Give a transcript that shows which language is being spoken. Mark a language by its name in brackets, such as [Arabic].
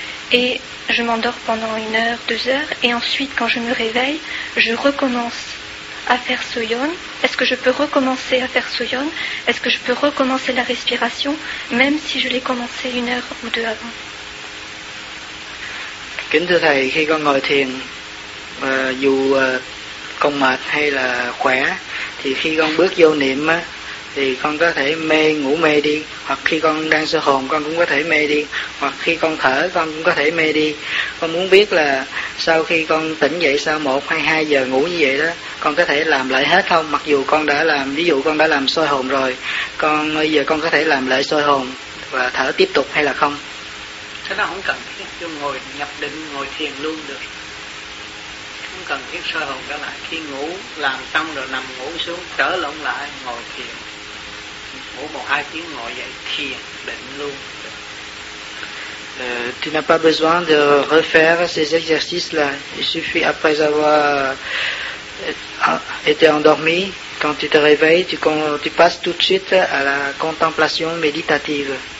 [French] Et je m'endors pendant 1 heure, 2 heures, et ensuite quand je me réveille, je recommence à faire soyon. Est-ce que je peux recommencer à faire soyon? Est-ce que je peux recommencer la respiration, même si je l'ai commencé 1 heure ou 2 avant? [Vietnamese] Kính thưa thầy, khi con ngồi thiền, dù con mệt hay là khỏe, thì khi con bước vô niệm á, thì con có thể mê ngủ mê đi, hoặc khi con đang sơ hồn con cũng có thể mê đi, hoặc khi con thở con cũng có thể mê đi. Con muốn biết là sau khi con tỉnh dậy sau 1 hay 2 giờ ngủ như vậy đó, con có thể làm lại hết không? Mặc dù con đã làm, ví dụ con đã làm soi hồn rồi, con bây giờ con có thể làm lại soi hồn và thở tiếp tục hay là không? Cái đó không cần thiết, chứ ngồi nhập định ngồi thiền luôn được, không cần thiết soi hồn cả lại. Khi ngủ làm xong rồi nằm ngủ xuống, trở lộn lại ngồi thiền, ngủ 1-2 tiếng ngồi dậy thiền định luôn. [French] Tu n'as pas besoin de refaire ces exercices là, il suffit après avoir été endormi, quand tu te réveilles, tu passes tout de suite à la contemplation méditative.